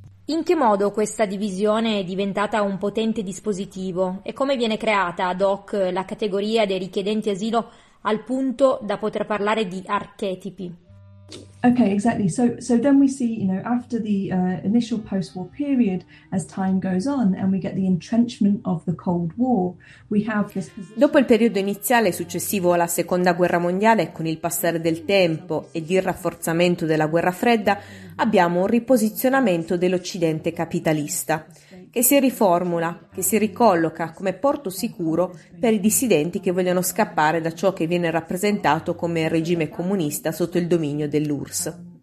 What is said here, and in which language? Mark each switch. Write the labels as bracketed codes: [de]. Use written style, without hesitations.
[it] In che modo questa divisione è diventata un potente dispositivo e come viene creata ad hoc la categoria dei richiedenti asilo al punto da poter parlare di archetipi? [en] Okay, exactly. So then we see, you know, after the initial post-war period, as time goes on and we get the entrenchment of the Cold War, we have this position. [it] Dopo il periodo iniziale successivo alla Seconda Guerra Mondiale, con il passare del tempo e il rafforzamento della Guerra Fredda, abbiamo un riposizionamento dell'Occidente capitalista, che si riformula, che si ricolloca come porto sicuro per i dissidenti che vogliono scappare da ciò che viene rappresentato come regime comunista sotto il dominio dell'URSS.